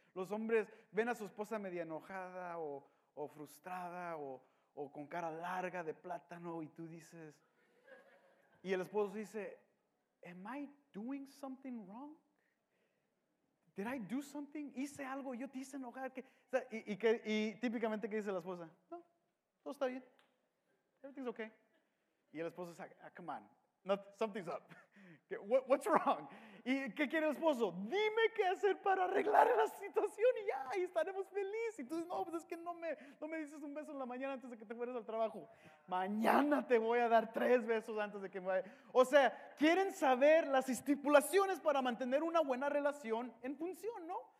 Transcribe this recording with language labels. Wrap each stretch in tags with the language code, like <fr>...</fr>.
<es>Los hombres ven a su esposa media enojada o frustrada o con cara larga de plátano, y tú dices, y el esposo dice,</es> <en>am I doing something wrong? Did I do something?</en> <es>¿Hice algo? ¿Yo te hice enojar? ¿Qué? O sea, y típicamente, ¿qué dice la esposa? No, todo está bien.</es> <en>Everything's okay.</en> <es>Y el esposo dice,</es> <en>come on, not, something's up. What's wrong?</en> <es>¿Y qué quiere el esposo? Dime qué hacer para arreglar la situación y ya, y estaremos felices. Y tú dices, no, pues es que no me dices un beso en la mañana antes de que te fueras al trabajo. Mañana te voy a dar tres besos antes de que me vaya. O sea, quieren saber las estipulaciones para mantener una buena relación en función, ¿no?</es>